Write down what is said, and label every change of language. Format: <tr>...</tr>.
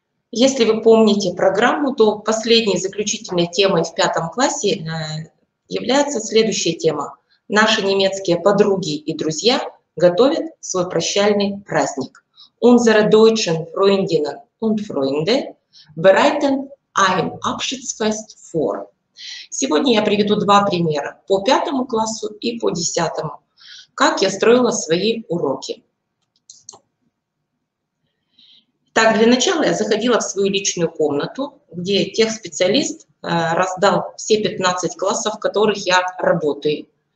<ru>Если вы помните программу, то последней заключительной темой в пятом классе является следующая тема. Наши немецкие подруги и друзья готовят свой прощальный праздник.</ru> <de>Unsere deutschen Freundinnen und Freunde bereiten ein Abschiedsfest vor.</de> <ru>Сегодня я приведу два примера по пятому классу и по десятому. Как я строила свои уроки. Так, для начала я заходила в свою личную комнату, где техспециалист раздал все 15 классов, в которых я работаю.</ru>